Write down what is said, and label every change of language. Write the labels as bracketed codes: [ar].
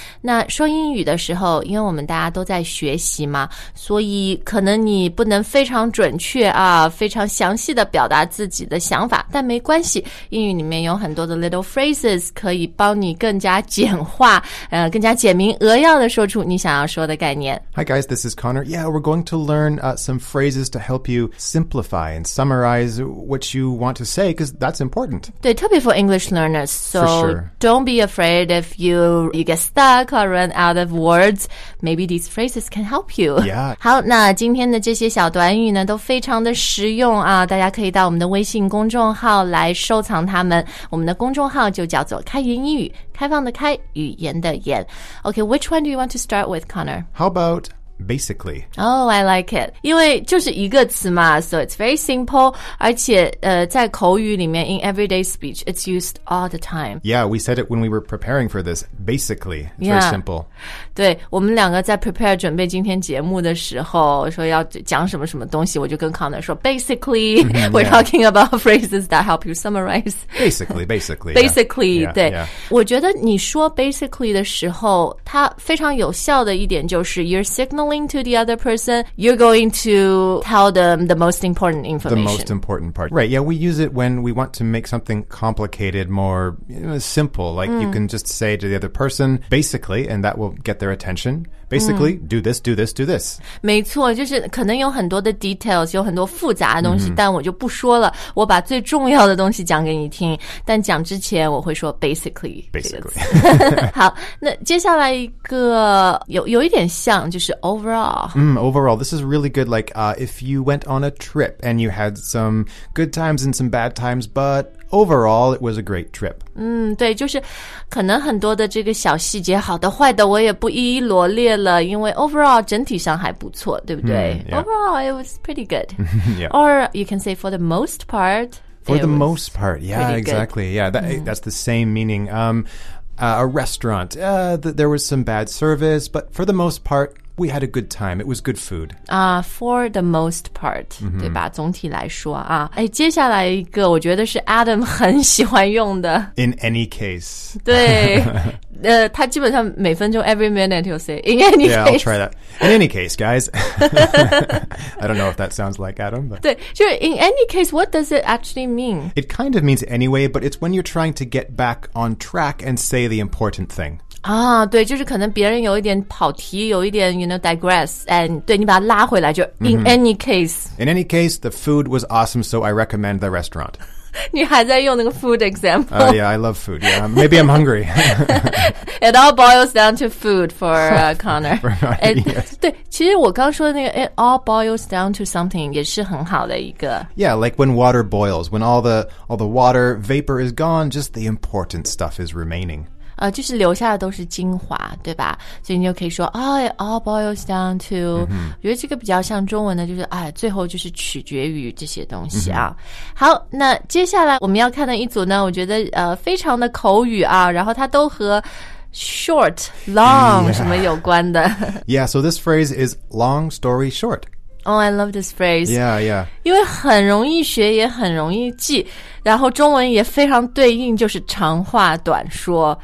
[zh] 那说英语的时候，因为我们大家都在学习嘛，所以可能你不能非常准确啊，非常详细的表达自己的想法，但没关系，英语里面有很多的 [en] little phrases [zh] 可以帮你更加简化，更加简明扼要的说出你想要说的概念。 [en] Hi guys, this is Connor. Yeah, we're going to learn some phrases to help you simplify and summarize what you want to say. Because that's important. [zh] 对，特别 [en] for English learners. So don't be afraid if you get stuck or run out of words. Maybe these phrases can help you. Yeah. [zh] 好，那今天的这些小短语呢，都非常的实用啊！大家可以到我们的微信公众号来收藏它们。我们的公众号就叫做“开言英语”，开放的开，语言的言。 [en] Okay, which one do you want to start with, Connor? How about? Basically. Oh, I like it. [zh] 因为就是一个词嘛, [en] so it's very simple. [zh] 而且在口语里面, [en] in everyday speech, it's used all the time. Yeah, we said it when we were preparing for this. Basically, it's yeah, very simple. [zh] 对,我们两个在 prepare 准备今天节目的时候,说要讲什么什么东西,我就跟 Connor 说, [en] basically, we're talking about phrases that help you summarize. Basically. Basically, yeah, [zh] 对。我觉得你说 [en] basically [zh] 的时候,它非常有效的一点就是 [en] you're signaling to the other person, you're going to tell them the most important information. The most important part. Right, yeah, we use it when we want to make something complicated more simple. Like, you can just say to the other person, basically, and that will get their attention. Basically, do this. [zh] 没错,就是可能有很多的 details, 有很多复杂的东西,但我就不说了,我把最重要的东西讲给你听,但讲之前我会说 basically. [en] Basically. [zh] 好,那接下来一个有一点像,就是overall. [en] Overall, this is really good. Like, if you went on a trip and you had some good times and some bad times, but overall, it was a great trip. [zh] 对,就是可能很多的这个小细节,好的,坏的,我也不一一罗列了,因为 overall, 整体上还不错,对不对? [en] Overall, it was pretty good. Yeah. Or you can say for the most part. For the most part, yeah, exactly. Yeah, that's the same meaning. A restaurant, there was some bad service, but for the most part,We had a good time. It was good food. For the most part, [zh] 对吧? 总体来说啊。哎,接下来一个我觉得是 Adam 很喜欢用的。 [en] In any case. [zh] 对。他基本上每分钟 [en] every minute he'll say, in any case. Yeah, I'll try that. In any case, guys. I don't know if that sounds like Adam, but... [zh] 对,就是 [en] in any case, what does it actually mean? It kind of means anyway, but it's when you're trying to get back on track and say the important thing. [zh] 对,就是可能别人有一点跑题,有一点, [en] you know, digress, and [zh] 对,你把它拉回来,就 in any case. [en] In any case, the food was awesome, so I recommend the restaurant. [zh] 你还在用那个 [en] food example? Yeah, I love food, yeah. Maybe I'm hungry. It all boils down to food for Connor. For not, yes. [zh] 对,其实我刚说的那个 [en] it all boils down to something [zh] 也是很好的一个。 [en] Yeah, like when water boils, when all the water vapor is gone, just the important stuff is remaining. [zh] 就是留下的都是精华，对吧？所以你就可以说 ， [en] Oh, it all boils down to。 [zh] 我觉得这个比较像中文的，就是哎，最后就是取决于这些东西啊。好，那接下来我们要看的一组呢，我觉得非常的口语啊，然后它都和 short、long 什么有关的。 [en] Yeah, so this phrase is long story short. Oh, I love this phrase. Yeah, yeah. [zh] 因为很容易学也很容易记，然后中文也非常对应，就是长话短说。